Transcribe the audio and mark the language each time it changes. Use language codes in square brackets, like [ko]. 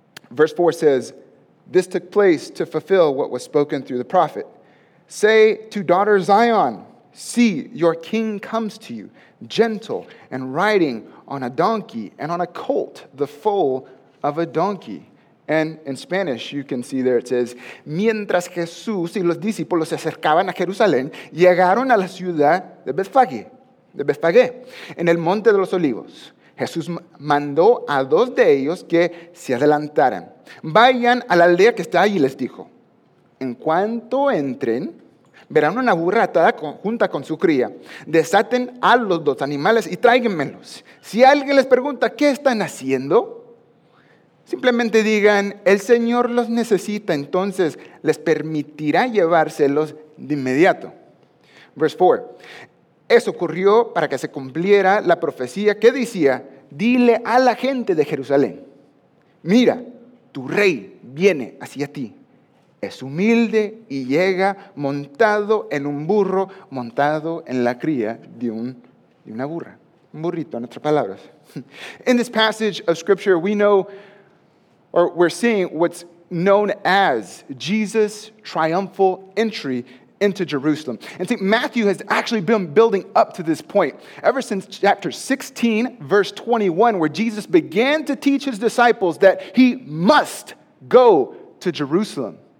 [en] Verse 4 says, this took place to fulfill what was spoken through the prophet. Say to daughter Zion, see, your king comes to you, gentle and riding on a donkey and on a colt, the foal of a donkey. And in Spanish, you can see there it says, [es] mientras Jesús y los discípulos se acercaban a Jerusalén, llegaron a la ciudad de Betfage, en el Monte de los Olivos. Jesús mandó a dos de ellos que se adelantaran. Vayan a la aldea que está allí, les dijo. En cuanto entren, verán una burra atada junta con su cría. Desaten a los dos animales y tráiganmelos. Si alguien les pregunta, ¿qué están haciendo? Simplemente digan, el Señor los necesita, entonces les permitirá llevárselos de inmediato. [en] Verse 4. [es] Eso ocurrió para que se cumpliera la profecía que decía, dile a la gente de Jerusalén, mira, tu rey viene hacia ti. Es humilde y llega montado en un burro, montado en la cría de una burra. Un burrito, en otras palabras. [en] In this passage of scripture, we're seeing what's known as Jesus' triumphal entry into Jerusalem. And see, Matthew has actually been building up to this point ever since chapter 16, verse 21, where Jesus began to teach his disciples that he must go to Jerusalem.